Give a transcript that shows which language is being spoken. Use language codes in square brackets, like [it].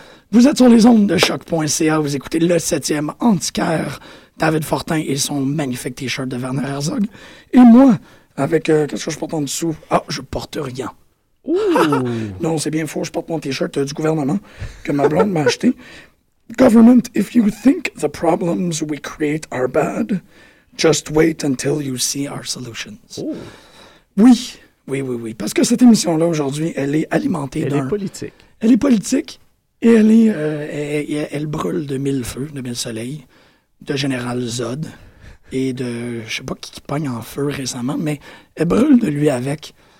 [fr] Vous êtes sur les ondes de choc.ca, vous écoutez le 7e Antiquaire, David Fortin et son magnifique t-shirt de Werner Herzog. Et moi... Avec, qu'est-ce que je porte en dessous? Ah, je porte rien. Ouh. Non, c'est bien faux, je porte mon t-shirt du gouvernement que ma blonde m'a acheté. [en] Government, if you think the problems we create are bad, just wait until you see our solutions. Ouh. [fr] Oui. Parce que cette émission-là, aujourd'hui, elle est alimentée elle d'un... Elle est politique. Elle est politique et elle brûle de mille feux, de mille soleils, de Général Zod... et de, je sais pas qui pogne en feu récemment, mais elle brûle de lui avec.